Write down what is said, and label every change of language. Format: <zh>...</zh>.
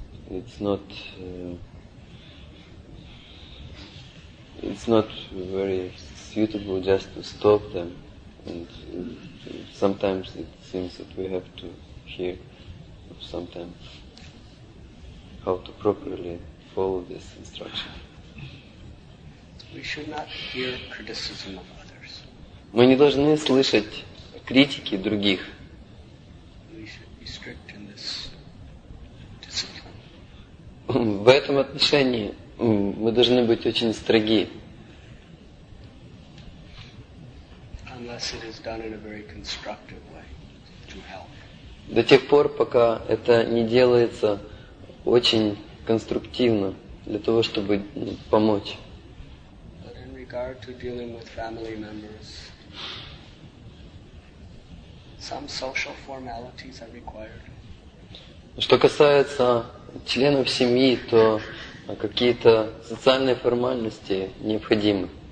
<en>It's not very suitable just to stop them. And sometimes it seems that we have to hear sometimes how to properly follow this instruction. We should not hear criticism of others.</en> <ru>Мы не должны слышать критики других.</ru> <en>We should be strict in this discipline.</en> <ru>В этом отношении мы должны быть очень строги.</ru> <en>Unless it is done in a very constructive way to help.</en> <ru>До тех пор, пока это не делается очень конструктивно для того, чтобы помочь.</ru> <en>But in regard to dealing with family members, some social formalities are required.</en> <ru>Что касается членов семьи, то какие-то социальные формальности необходимы.</ru>